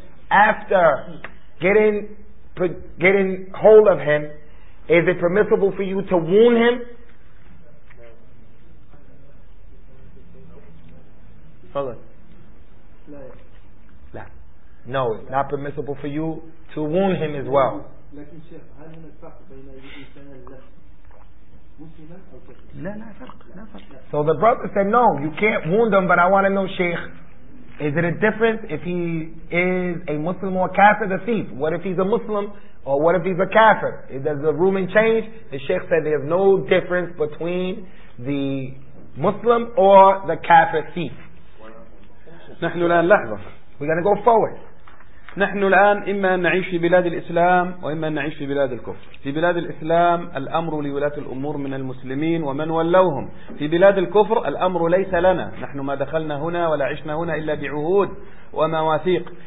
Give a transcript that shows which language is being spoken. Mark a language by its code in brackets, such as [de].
[en] After getting hold of him, is it permissible for you to wound him? [ar] تفضل. لا. [en] No, it's not permissible for you to wound him as well. [ar] لكن شيخ هل هناك فرق بين الإنسان اللي لا فرق. [en] So the brother said, no, you can't wound him, but I want to know, Sheikh, is it a difference if he is a Muslim or a kafir, the thief? What if he's a Muslim or what if he's a kafir? Does the ruling change? The Sheikh said there's no difference between the Muslim or the kafir thief. [ar] نحن الآن لحظة. [en] We gotta go forward. [ar] نحن الآن إما أن نعيش في بلاد الإسلام وإما أن نعيش في بلاد الكفر. في بلاد الإسلام الأمر لولاة الأمور من المسلمين ومن ولوهم. في بلاد الكفر الأمر ليس لنا، نحن ما دخلنا هنا ولا عشنا هنا إلا بعهود ومواثيق.